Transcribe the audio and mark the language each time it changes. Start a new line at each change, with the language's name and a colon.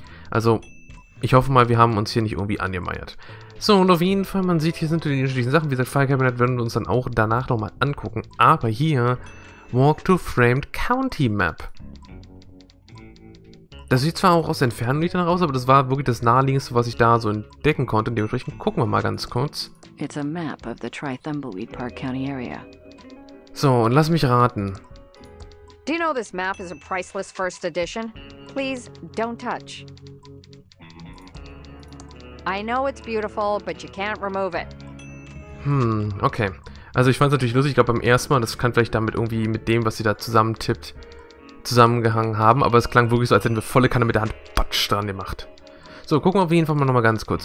German: Also, ich hoffe mal, wir haben uns hier nicht irgendwie angemeiert. So, und auf jeden Fall, man sieht, hier sind die unterschiedlichen Sachen. Wie gesagt, Fallkabinett werden wir uns dann auch danach nochmal angucken. Aber hier,
English: Walk to Framed County Map.
German: Das sieht zwar auch aus der Entfernung nicht danach aus, aber das war wirklich das Naheliegendste, was ich da so entdecken konnte. Dementsprechend gucken wir mal ganz kurz.
English: It's a map of the Tri-Thimbleweed Park County area.
German: So, und lass mich raten.
English: Do you know this map is a priceless first edition? Please, don't touch. I know it's beautiful, but you can't remove it.
German: Okay. Also ich fand es natürlich lustig, ich glaube beim ersten Mal, das kann vielleicht damit irgendwie mit dem, was sie da zusammentippt, zusammengehangen haben, aber es klang wirklich so, als hätten wir volle Kanne mit der Hand Batsch dran gemacht. So, gucken wir auf jeden Fall mal nochmal ganz kurz.